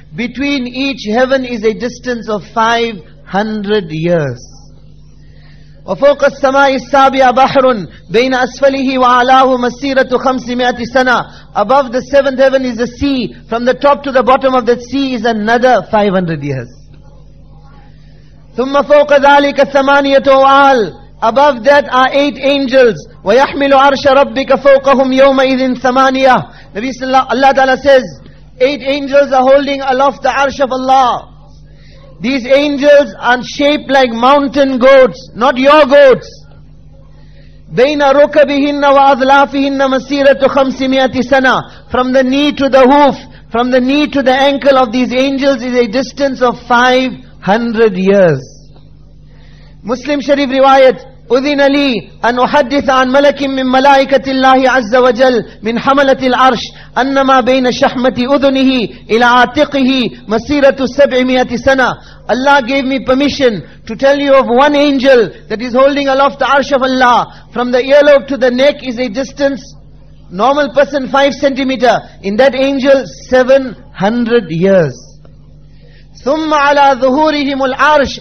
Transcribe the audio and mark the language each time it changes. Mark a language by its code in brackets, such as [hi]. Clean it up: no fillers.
[en] Between each heaven is a distance of 500 years. [ar] وَفَوْقَ السَّمَاءِ السَّابِعَةِ بَحْرٌ بَيْنَ أَسْفَلِهِ وَعَلَاهُ مَسِيرَةُ 500 سَنَةٍ. [en] Above the seventh heaven is a sea. From the top to the bottom of that sea is another 500 years. [ar] ثم فوق ذلك الثمانية أوعال. [en] Above that are 8 angels. [ar] ويحمل عرش ربك فوقهم يومئذ ثمانية. نبي صلى الله عليه وسلم [en] says, 8 angels are holding aloft the arsh of Allah. These angels are shaped like mountain goats, not your goats. [ar] بين ركبهن وأظلافهن مسيرة 500 سنة. [en] From the knee to the hoof, from the knee to the ankle of these angels is a distance of 500 years. [ar] Muslim Sharif riwayat, أذن لي أن أحدث عن ملك من ملائكة الله عز وجل من حملة العرش أنما بين شحمة أذنه إلى عاتقه مسيرة 700 سنة. [en] Allah gave me permission to tell you of one angel that is holding aloft the arsh of Allah. From the earlobe to the neck is a distance, normal person 5 centimeters, in that angel 700 years. [ar] ثم على ظهورهم العرش.